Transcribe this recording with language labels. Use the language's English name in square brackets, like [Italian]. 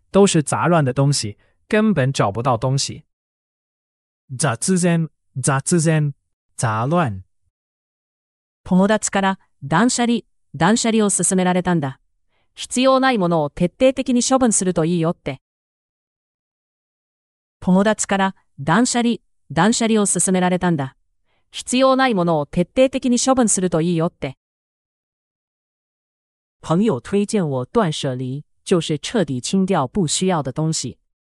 [Chinese] 都是杂乱的东西，根本找不到东西。 [Japanese] 雑然，杂乱。友達から断捨離を勧められたんだ。必要ないものを徹底的に処分するといいよって。 [Chinese] 朋友推荐我断舍离。就是彻底清掉不需要的东西。